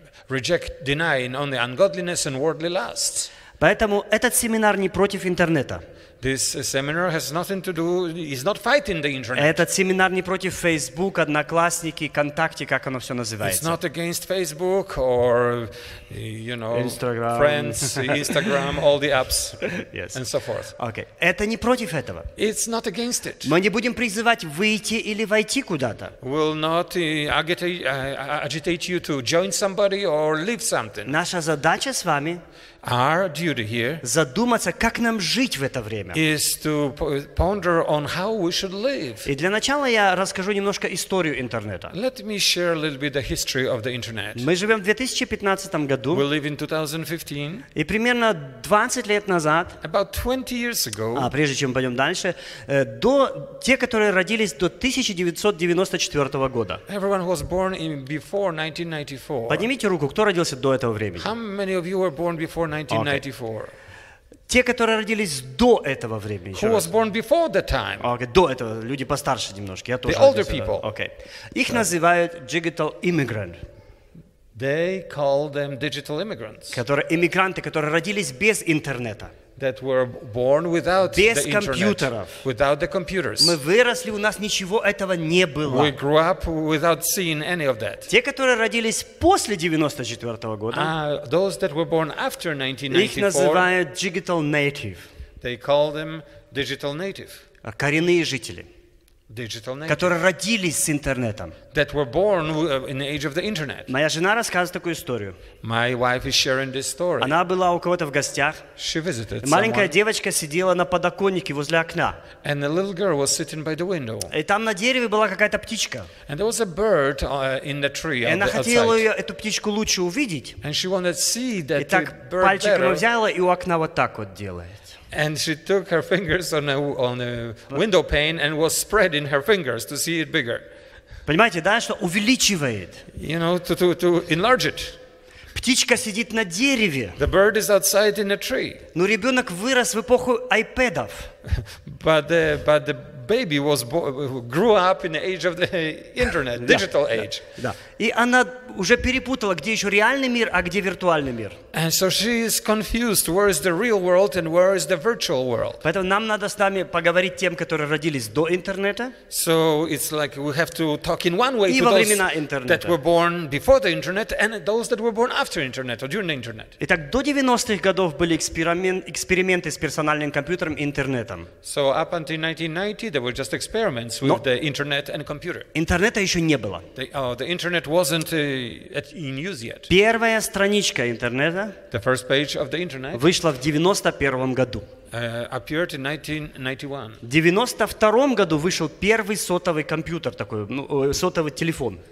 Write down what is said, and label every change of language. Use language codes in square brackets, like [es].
[en] Reject denying only ungodliness and worldly lusts. [ru] Поэтому этот семинар не против интернета. [en] This seminar has nothing to do. He's not fighting the internet. [ru] Этот семинар не против Facebook, Одноклассники, ВКонтакте, как оно все называется. [en] It's not against Facebook or, you know, Instagram. Friends, Instagram, all the apps, yes. And so forth. Okay. [ru] Это не против этого. [en] It's not against it. [ru] Мы не будем призывать выйти или войти куда-то. [en] We'll not agitate you to join somebody or leave something. [ru] Наша задача с вами. [en] Our duty here [ru] задуматься, как нам жить в это время. [en] Is to ponder on how we should live. [ru] И для начала я расскажу немножко историю интернета. [en] Let me share a little bit the history of the internet. [ru] Мы живем в 2015 году. [en] We live in 2015. [ru] И примерно 20 лет назад. [en] About 20 years ago. [ru] А прежде чем пойдем дальше, до те, которые родились до 1994 года. [en] Everyone was born in before 1994. [ru] Поднимите руку, кто родился до этого времени. [en] How many of you were born before 1994. Okay. [ru] Те, которые родились до этого времени. [en] Who was born before the time? Okay, [ru] до этого люди постарше немножко. Я тоже. [en] The older people. Okay. [ru] Их называют digital immigrant. [en] They call them digital immigrants. [ru] Которые иммигранты, которые родились без интернета. [en] That were born without the internet. [ru] Без компьютеров. [en] Without the computers. [ru] Мы выросли, у нас ничего этого не было. [en] We grew up without seeing any of that. [ru] Те, которые родились после 94 года. [en] Those that were born after 1994. [ru] Их называют digital native. [en] They call them digital native. [ru] Коренные жители. [en] Digital native. [ru] Которые родились с интернетом. [en] That were born in the age of the internet. [ru] Моя жена рассказывает такую историю. [en] My wife is sharing this story. [ru] Она была у кого-то в гостях. [en] She visited someone. [ru] Маленькая девочка сидела на подоконнике возле окна. [en] And a little girl was sitting by the window. [ru] И там на дереве была какая-то птичка. [en] And there was a bird in the tree outside. [ru] И она хотела эту птичку лучше увидеть. [en] And she wanted to see that bird. [ru] И так пальчиком взяла и у окна вот так вот делает. [en] And she took her fingers on a window pane and was spreading her fingers to see it bigger. [ru] Понимаете, да, что увеличивает? [en] You know, to enlarge it. [ru] Птичка сидит на дереве. [en] The bird is outside in a tree. [ru] Но ребенок вырос в эпоху iPadов. [en] But the baby was grew up in the age of the internet, digital age. [ru] Да. И она уже перепутала, где еще реальный мир, а где виртуальный мир. [en] And so she is confused. Where is the real world and where is the virtual world? [ru] Поэтому нам надо с нами поговорить тем, которые родились до интернета. [en] So it's like we have to talk in one way to those that were born before the internet and those that were born after internet or during the internet. [ru] Итак, до 90-х годов были эксперименты с персональным компьютером и интернетом. [en] So up until 1990, there were just experiments with the internet and computer. [ru] Интернета еще не было. [en] The internet wasn't in use yet. [ru] Первая страничка интернета вышла в 1991 году. [en] Appeared in 1991. [ru] В 1992 году вышел первый сотовый компьютер такой, сотовый телефон.